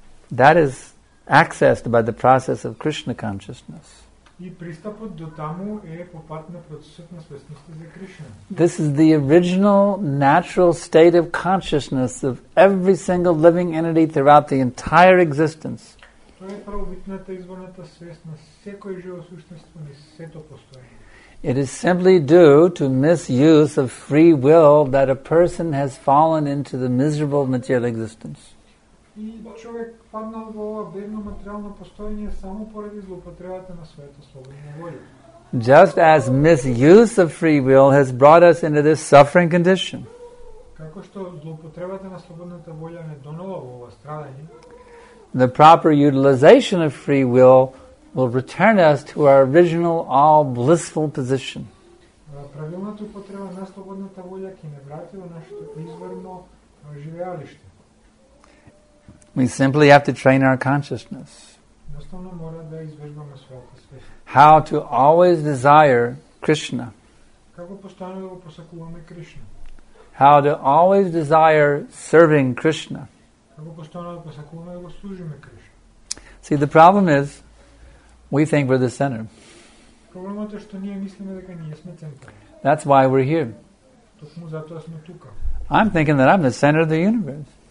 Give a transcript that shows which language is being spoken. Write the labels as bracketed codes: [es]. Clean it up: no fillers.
[en] That is accessed by the process of Krishna consciousness. [mk] И пристапот до таму е по пат на процесот на свесноста за Кришна. [en] This is the original natural state of consciousness of every single living entity throughout the entire existence. [mk] Тоа е првобитната изворната свест на секој живо сушество на сето постоење. [en] It is simply due to misuse of free will that a person has fallen into the miserable material existence. [mk] и човек паднал во ова бедно материално постоење само поради злоупотребата на својата слободна воља. [en] Just as misuse of free will has brought us into this suffering condition. [mk] Како што злоупотребата на слободната воља не донела во ова страдање. [en] The proper utilization of free will return us to our original all blissful position. [mk] Правилната употреба на слободната воља ќе не врати во нашето изворно живеалиште. [en] We simply have to train our consciousness. [mk] Наставно мора да извежбаме својата свест. [en] How to always desire Krishna. [mk] Како постојано да го посакуваме Кришна. [en] How to always desire serving Krishna. [mk] Како постојано да посакуваме да го служиме Кришна. [en] See, the problem is we think we're the center. [mk] Проблемот е што ние мислиме дека ние сме центар. [en] That's why we're here. [mk] Токму затоа сме тука. [en] I'm thinking that I'm the center of the universe.